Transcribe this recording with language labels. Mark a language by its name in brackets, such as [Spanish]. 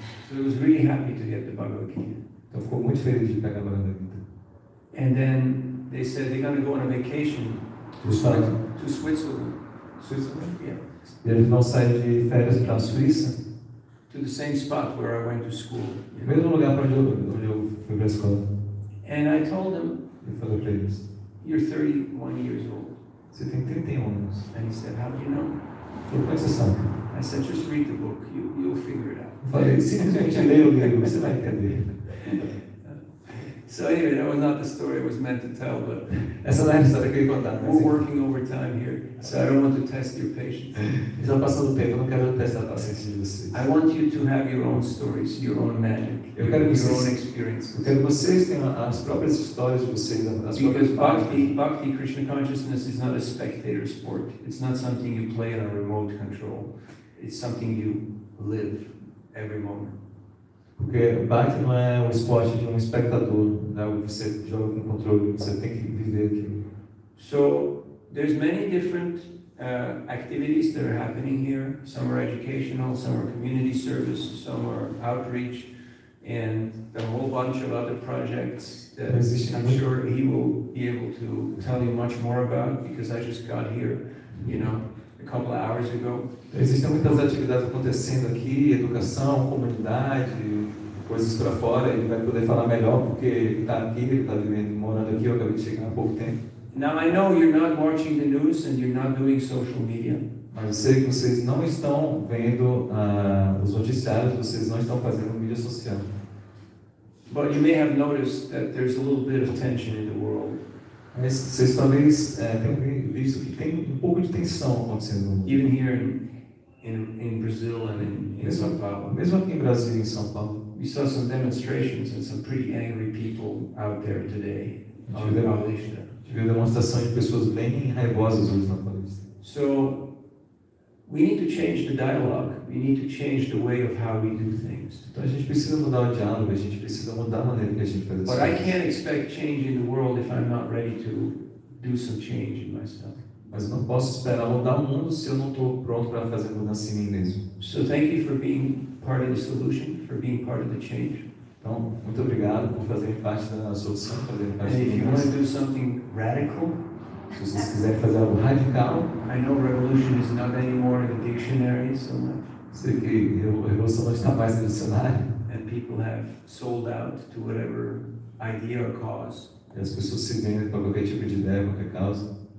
[English] So I was really happy to get the Bhagavad Gita. [Portuguese] Então ficou muito feliz de pegar a Bhagavad Gita. [English] And then they said they're going to go on a vacation to Switzerland. Switzerland? Yeah. [Portuguese] E eles vão sair de férias para a Suíça. [English] To the same spot where I went to school. [Portuguese] No mesmo lugar para onde eu fui para a escola. [English] And I told them, [Portuguese] eu falei para eles, [English] you're 31 years old. [Portuguese] Você tem 31 anos. [English] And he said, how do you know? [Portuguese] Como você sabe? [English] I said, just read the book. You'll figure it out. [Portuguese] Eu falei, simplesmente lê o livro, você vai entender. [English] So anyway, that was not the story I was meant to tell, but [Portuguese] essa não é a história que eu ia contar. [English] We're working overtime here, so I don't want to test your patience. [Portuguese] Está passando o tempo, não quero testar a paciência de vocês. [English] I want you to have your own stories, your own magic, your own experiences. [Portuguese] Eu quero que vocês tenham as próprias histórias de vocês. [English] Because bhakti, Krishna consciousness, is not a spectator sport. It's not something you play on a remote control. It's something you live every moment. [Portuguese] Porque o bhakti não é um esporte de um espectador, né? Você joga com controle, você tem que viver aquilo. [English] So, there's many different activities that are happening here. Some are educational, some are community service, some are outreach, and a whole bunch of other projects that I'm sure he will be able to tell you much more about, because I just got here, you know, a couple of hours ago. [Portuguese] Existem muitas atividades acontecendo aqui, educação, comunidade, coisas para fora, ele vai poder falar melhor porque ele tá aqui, ele tá vivendo, morando aqui, eu acabei de chegar há pouco tempo. [English] Now I know you're not watching the news and you're not doing social media. [Portuguese] Mas eu sei que vocês não estão vendo os noticiários, vocês não estão fazendo mídia social. [English] But you may have noticed that there's a little bit of tension in the world. [Portuguese] Mas vocês talvez tenham visto que tem um pouco de tensão acontecendo no mundo. [English] Even here in Brazil and in São Paulo. [Portuguese] Mesmo aqui em Brasília e em São Paulo. [English] We saw some demonstrations and some pretty angry people out there today on the Palestra. [Portuguese] Tive demonstrações de pessoas bem raivosas hoje na Palestra. [English] So, we need to change the dialogue. We need to change the way of how we do things. [Portuguese] Então a gente precisa mudar o diálogo, a gente precisa mudar a maneira que a gente faz as coisas. [English] But I can't expect change in the world if I'm not ready to do some change in myself. [Portuguese] Mas eu não posso esperar mudar o mundo se eu não estou pronto para fazer mudança em mim mesmo. [English] So thank you for being part of the solution, for being part of the change. [Portuguese] Então, muito obrigado por fazer parte da solução, fazer parte da mudança. [English] And if you want to do something radical, [Portuguese] se vocês quiserem fazer algo radical, [English] I know revolution is not anymore in the dictionary so much. [Portuguese] Sei que a revolução não está mais no dicionário. [English] And people have sold out to whatever idea or cause. [Portuguese] E as pessoas se vendem para qualquer tipo de ideia, qualquer causa.